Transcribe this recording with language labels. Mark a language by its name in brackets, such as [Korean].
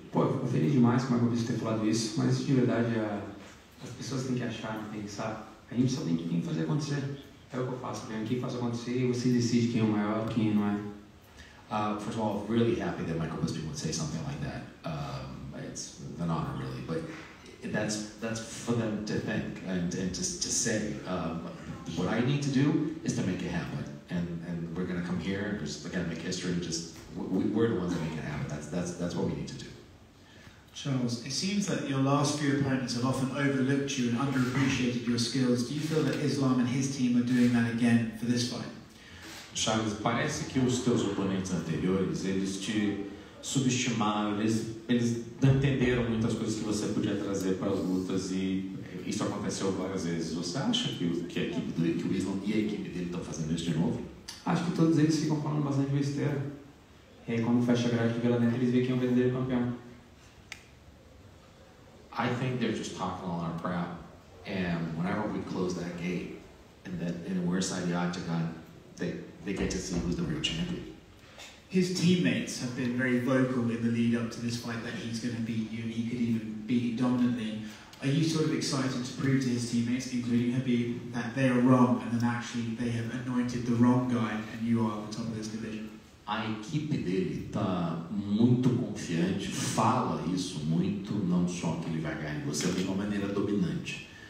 [Portuguese] Pô, eu fico feliz demais com o Michael Bisping ter falado isso, mas de verdade, as pessoas têm que achar, têm que pensar, a gente só tem que fazer acontecer. É o que eu faço, venho aqui, faço acontecer e você decide quem é o maior, quem não é. [English] First of all, really happy that Michael Bisping would say something like that. It's an honor, really. But that's for them to think and to say. What I need to do is to make it happen. And we're gonna come here and just again make history. We're the ones that make it happen. That's what we need to do. Charles, it seems that your last few opponents have often overlooked you and underappreciated your skills. Do you feel that Islam and his team are doing that again for this fight? [Portuguese] Charles, parece que os teus oponentes anteriores, eles te subestimaram, eles não entenderam muitas coisas que você podia trazer para as lutas e isso aconteceu várias vezes. Você acha que a equipe dele, que o Islam e a equipe dele estão fazendo isso de novo? Acho que todos eles ficam falando bastante besteira. E aí quando fecha a grade lá dentro, eles veem quem é o verdadeiro campeão. [English] I think they're just talking a lot of crap. And whenever we close that gate, and then and we're inside the octagon, they get to see who's the real champion. His teammates have been very vocal in the lead up to this fight that he's going to beat you, and he could even beat you dominantly. Are you sort of excited to prove to his teammates, including Khabib, that they are wrong, and then actually they have anointed the wrong guy, and you are at the top of this division? [Portuguese] A equipe dele tá muito confiante, fala isso muito, não só que ele vai ganhar em você, mas de uma maneira dominante.